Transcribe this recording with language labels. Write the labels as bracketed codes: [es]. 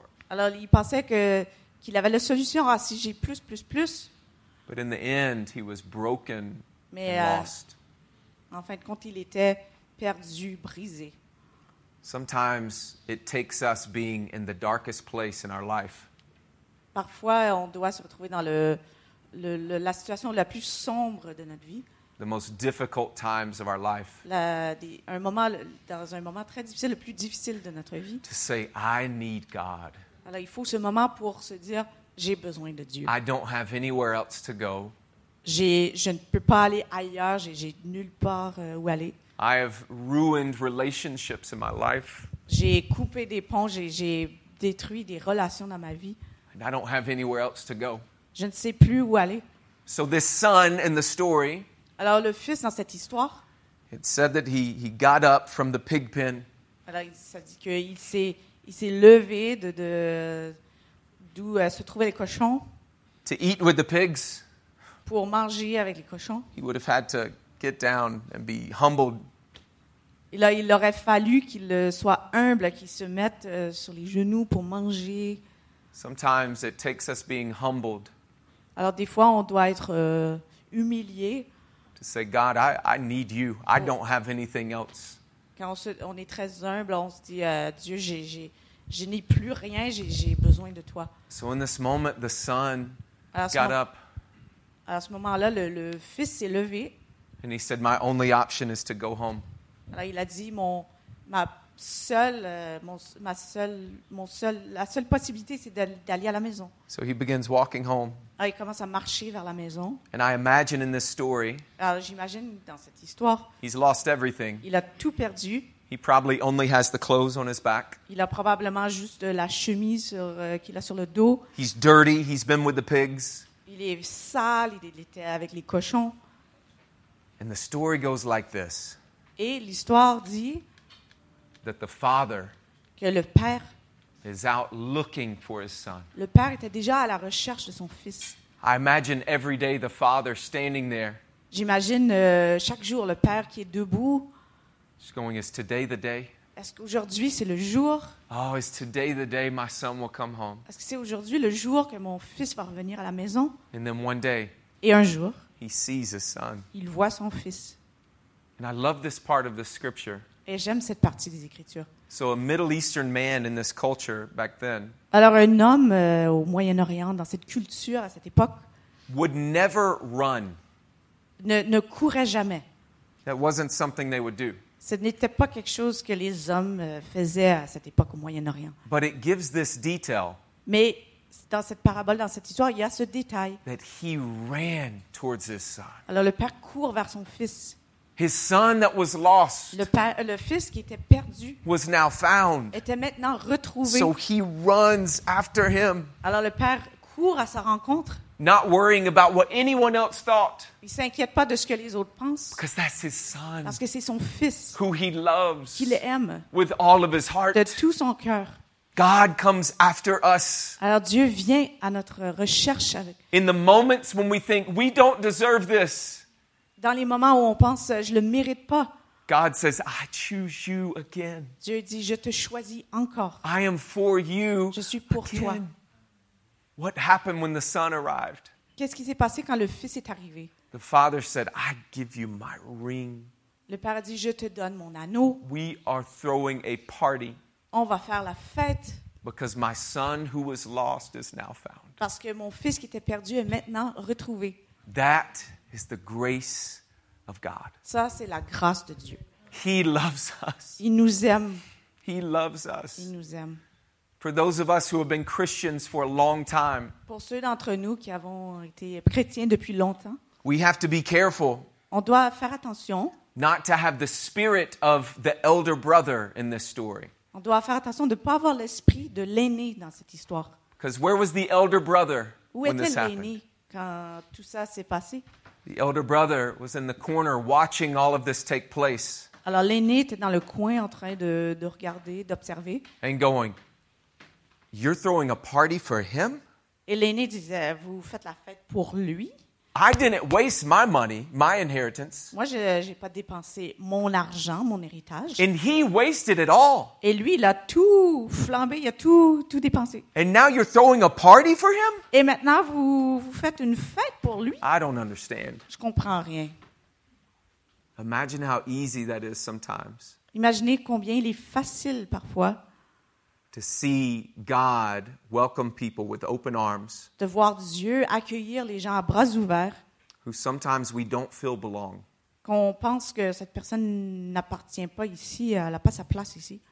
[fr] Alors il pensait qu'il avait la solution ah, si j'ai plus. [en] But in the end he was broken [fr] Mais, [en] and lost. [fr] En fin de compte il était perdu, brisé. [en] Sometimes it takes us being in the darkest place in our life. [fr] Parfois, on doit se retrouver dans la situation la plus sombre de notre vie. [en] The most difficult times of our life. [fr] Dans un moment très difficile, le plus difficile de notre vie. [en] To say, I need God. [fr] Alors, il faut ce moment pour se dire, j'ai besoin de Dieu. [en] I don't have anywhere else to go. [fr] Je ne peux pas aller ailleurs. J'ai nulle part où aller. [en] I have ruined relationships in my life. [fr] J'ai coupé des ponts, j'ai détruit des relations dans ma vie. [en] And I don't have anywhere else to go. [fr] Je ne sais plus où aller. [en] So this son in the story. [fr] Alors le fils dans cette histoire. [en] It said that he got up from the pig pen. [fr] Alors ça dit que il s'est levé de d'où se trouvaient les cochons. [en] To eat with the pigs. [fr] Pour manger avec les cochons. [en] He would have had to get down and be humbled. [fr] Il aurait fallu qu'il soit humble, qu'il se mette sur les genoux pour manger. [en] Sometimes it takes us being humbled. [fr] Alors des fois on doit être humilié. [en] To say, God, I need you. I don't have anything else. [fr] Quand on est très humble, on se dit, Dieu, je n'ai plus rien. J'ai besoin de toi. [en] So in this moment, the son got up. [fr] À ce moment-là, le fils s'est levé. [en] And he said, my only option is to go home. [fr] Alors il a dit, la seule possibilité, c'est d'aller à la maison. [en] So he begins walking home. [fr] Alors, il commence à marcher vers la maison. [en] And I imagine in this story. [fr] Alors, j'imagine dans cette histoire. [en] He's lost everything. [fr] Il a tout perdu. [en] He probably only has the clothes on his back. [fr] Il a probablement juste la chemise qu'il a sur le dos. [en] He's dirty. He's been with the pigs. [fr] Il est sale. Il était avec les cochons. [en] And the story goes like this. [fr] Et l'histoire dit. [en] That the father. [fr] Que le père. [en] Is out looking for his son. [fr] Le père était déjà à la recherche de son fils. [en] I imagine every day the father standing there. [fr] J'imagine chaque jour le père qui est debout. [en] Just going, is today the day? [fr] Est-ce qu'aujourd'hui c'est le jour? [en] Oh, is today the day my son will come home? [fr] Est-ce que c'est aujourd'hui le jour que mon fils va revenir à la maison? [en] And then one day. [fr] Et un jour. [en] He sees his son. [fr] Il voit son fils. [en] And I love this part of the scripture. [fr] Et j'aime cette partie des Écritures. [en] So a Middle Eastern man in this culture back then. [fr] Alors un homme au Moyen-Orient dans cette culture à cette époque. [en] Would never run. [fr] Ne courait jamais. [en] That wasn't something they would do. [fr] Ce n'était pas quelque chose que les hommes faisaient à cette époque au Moyen-Orient. [en] But it gives this detail. [fr] Mais dans cette parabole, dans cette histoire, il y a ce détail. [en] That he ran towards his son. [fr] Alors le père court vers son fils. [en] His son that was lost [fr] le fils qui était perdu [en] was now found. [fr] Était maintenant retrouvé. [en] So he runs after him. [fr] Alors le père court à sa rencontre. [en] Not worrying about what anyone else thought. [fr] Il s'inquiète pas de ce que les autres pensent. [en] Because that's his son. [fr] Parce que c'est son fils. [en] Who he loves. [fr] Qu'il aime. [en] With all of his heart. [fr] De tout son cœur. [en] God comes after us. [fr] Alors Dieu vient à notre recherche avec. [en] In the moments when we think we don't deserve this. [fr] Dans les moments où on pense je le mérite pas. [en] God says, I choose you again. [fr] Dieu dit je te choisis encore. [en] I am for you. [fr] Je suis pour [en] again. [fr] Toi. [en] What happened when the son arrived? [fr] Qu'est-ce qui s'est passé quand le fils est arrivé? [en] The father said, I give you my ring. [fr] Le père a dit je te donne mon anneau. [en] We are throwing a party. [fr] On va faire la fête. [en] Because my son who was lost is now found. [fr] Parce que mon fils qui était perdu est maintenant retrouvé. [en] That is the grace of God. [fr] Ça, c'est la grâce de Dieu. [en] He loves us. [fr] Il nous aime. [en] He loves us. [fr] Il nous aime. [en] For those of us who have been Christians for a long time. [fr] Pour ceux d'entre nous qui avons été chrétiens depuis longtemps. [en] We have to be careful. [fr] On doit faire attention. [en] Not to have the spirit of the elder brother in this story. [fr] On doit faire attention de pas avoir l'esprit de l'aîné dans cette histoire. [en] Because where was the elder brother [fr] où [en] when this happened? [fr] Où était l'aîné quand tout ça s'est passé? [en] The elder brother was in the corner watching all of this take place. [fr] Alors l'aîné était dans le coin en train de regarder, d'observer. [en] And going, you're throwing a party for him? [fr] Et l'aîné disait, vous faites la fête pour lui? [en] I didn't waste my money, my inheritance. [fr] Moi, j'ai pas dépensé mon argent, mon héritage. [en] And he wasted it all. [fr] Et lui, il a tout flambé, il a tout dépensé. [en] And now you're throwing a party for him? [fr] Et maintenant, vous faites une fête pour lui? [en] I don't understand. [fr] Je comprends rien. [en] Imagine how easy that is sometimes. [fr] Imaginez combien il est facile parfois. [en] To see God welcome people with open arms. [fr] De voir Dieu accueillir les gens à bras ouverts. [en] Who sometimes we don't feel belong. [fr] Qu'on pense que cette personne n'appartient pas ici, elle a pas sa place ici.